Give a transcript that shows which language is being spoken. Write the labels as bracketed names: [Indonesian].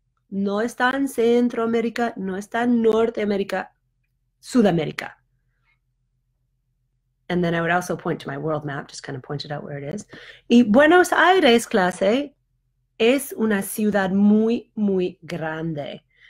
[Spanish] No está en Centroamérica, no está en Norteamérica, Sudamérica. [English] And then I would also point to my world map, just kind of point it out where it is. [Spanish] Y Buenos Aires, clase, es una ciudad muy, muy grande.